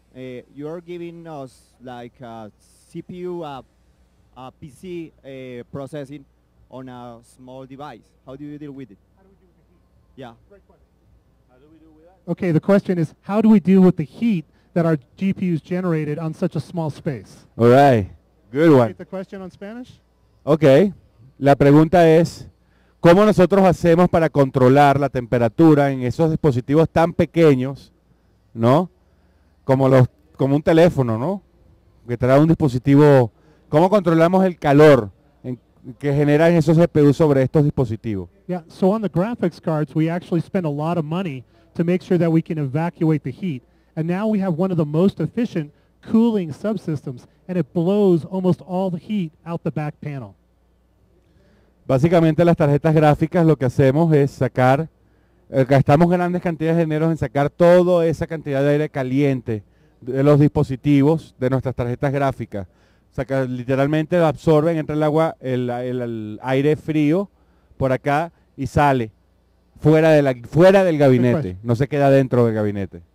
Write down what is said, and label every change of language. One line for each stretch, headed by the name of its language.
English: You're giving us like a CPU, a PC processing on a small device. How do you deal with it? How do we deal with the heat? Yeah. Great question. How do we deal with that? Okay, the question is, how do we deal with the heat that our GPUs generated on such a small space? All right. Good one. Repeat the question on Spanish? Okay.
Spanish: La pregunta es, ¿cómo nosotros hacemos para controlar la temperatura en esos dispositivos tan pequeños, ¿no? Como un teléfono, ¿no? Que trae un dispositivo. ¿Cómo controlamos el calor que generan esos GPUs sobre estos dispositivos?
English: Yeah, so on the graphics cards, we actually spend a lot of money to make sure that we can evacuate the heat. And now we have one of the most efficient cooling subsystems, and it blows almost all the heat out the back panel.
Spanish: Básicamente las tarjetas gráficas lo que hacemos es sacar, gastamos grandes cantidades de dinero en sacar toda esa cantidad de aire caliente de los dispositivos de nuestras tarjetas gráficas. O sea, que literalmente absorben, entra el agua, el aire frío por acá y sale fuera, fuera del gabinete, no se queda dentro del gabinete.